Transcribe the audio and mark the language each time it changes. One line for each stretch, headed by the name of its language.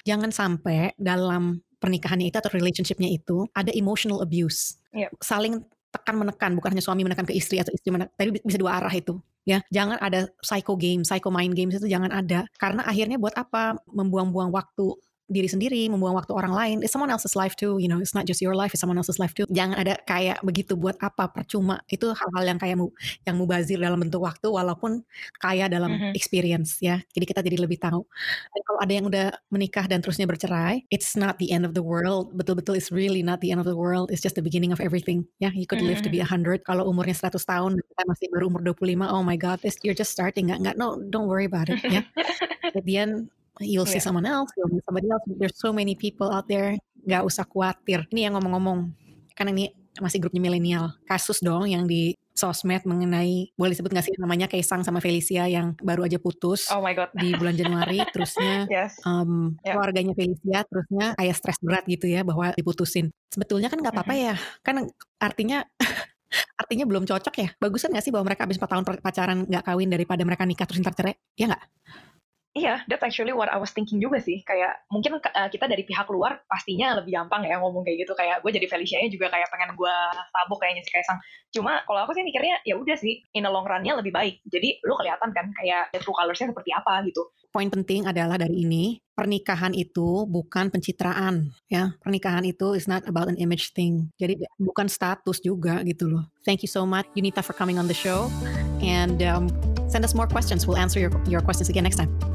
Indonesian: Jangan sampai dalam pernikahannya itu atau relationship-nya itu ada emotional abuse. Saling tekan menekan, bukan hanya suami menekan ke istri atau istri menekan, tapi bisa dua arah itu ya. Jangan ada psycho game, psycho mind games, itu jangan ada, karena akhirnya buat apa membuang-buang waktu diri sendiri, membuang waktu orang lain.
English: It's someone else's life too, you know, it's not just your life, it's someone else's life too.
Indonesian: Jangan ada kayak begitu, buat apa, percuma. Itu hal-hal yang kayak yang mubazir dalam bentuk waktu, walaupun kaya dalam experience ya. Jadi kita jadi lebih tahu. Dan kalau ada yang udah menikah dan terusnya bercerai,
English: it's not the end of the world. Betul-betul it's really not the end of the world. It's just the beginning of everything. Ya, you could live to be 100.
Indonesian: Kalau umurnya 100 tahun, kita masih baru umur 25.
English: Oh my god, you're just starting. Enggak, no, don't worry about it. Ya. At the end, you'll see someone else, you'll meet somebody else. There's so many people out there.
Indonesian: Gak usah khawatir. Ini yang ngomong-ngomong, karena ini masih grupnya milenial. Kasus dong yang di sosmed mengenai, boleh disebut gak sih namanya, Kaisang sama Felicia yang baru aja putus. Oh my god. Di bulan Januari. Terusnya keluarganya Felicia, terusnya kayak stres berat gitu ya, bahwa diputusin. Sebetulnya kan gak apa-apa ya. Kan artinya artinya belum cocok ya. Bagusan gak sih bahwa mereka habis 4 tahun pacaran gak kawin, daripada mereka nikah terus ntar cerai? Ya gak?
English: Iya, yeah, that's actually what I was thinking
Indonesian: juga sih. Kayak mungkin kita dari pihak luar pastinya lebih gampang ya ngomong kayak gitu. Kayak gue jadi Felicia-nya juga kayak pengen gue sabuk kayaknya si Kaisang. Cuma kalau aku sih mikirnya ya udah sih,
English: in the long run-
Indonesian: nya lebih baik. Jadi lu kelihatan kan kayak true colors-nya seperti apa gitu. Poin penting adalah dari ini, pernikahan itu bukan pencitraan ya. Pernikahan itu
English: is not about an image thing.
Indonesian: Jadi bukan status juga gitu loh.
English: Thank you so much, Yunita, for coming on the show. And send us more questions. We'll answer your questions again next time.